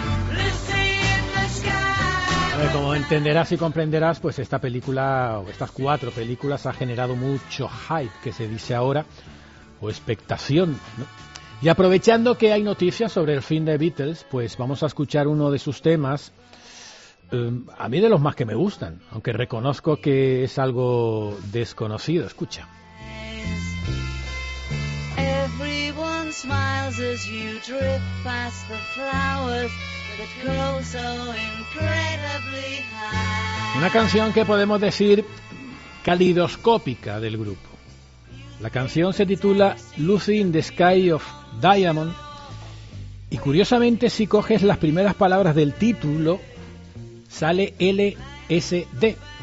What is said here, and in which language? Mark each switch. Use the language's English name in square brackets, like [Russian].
[Spanish] A ver, como entenderás y comprenderás, pues esta película, o estas cuatro películas, ha generado mucho hype, que se dice ahora, o expectación, ¿no? Y aprovechando que hay noticias sobre el fin de Beatles, pues vamos a escuchar uno de sus temas, a mí de los más que me gustan, aunque reconozco que es algo desconocido. Escucha. [English] Everyone smiles as you drift past the flowers that grow so incredibly high. [Spanish] Una canción que podemos decir calidoscópica del grupo. La canción se titula Lucy in the Sky of Diamond Y curiosamente, si coges las primeras palabras del título, sale LSD.